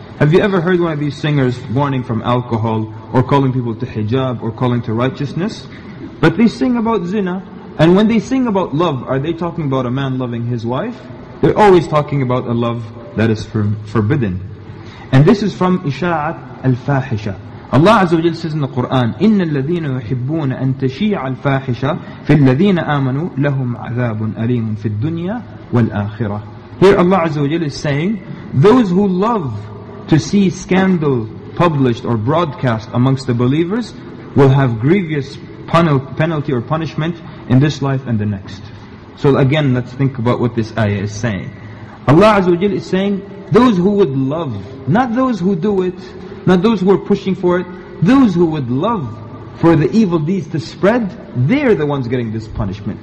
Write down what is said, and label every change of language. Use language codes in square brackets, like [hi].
[en] Have you ever heard one of these singers warning from alcohol or calling people to hijab or calling to righteousness? But they sing about zina. And when they sing about love, are they talking about a man loving his wife? They're always talking about a love that is forbidden. And this is from Isha'at al-Fahisha. Allah Azza wa Jalla says in the Quran, [ar] إِنَّ الَّذِينَ يُحِبُّونَ أَن تَشِيعَ الْفَاحِشَةِ فِي الَّذِينَ آمَنُوا لَهُمْ عَذَابٌ أَلِيمٌ فِي الدُّنْيَا وَالْآخِرَةِ. [en] Here Allah Azza wa Jalla is saying, those who love to see scandal published or broadcast amongst the believers will have grievous penalty or punishment in this life and the next. So again, let's think about what this ayah is saying. Allah Azza wa Jalla is saying, those who would love, not those who do it, not those who are pushing for it, those who would love for the evil deeds to spread, they're the ones getting this punishment.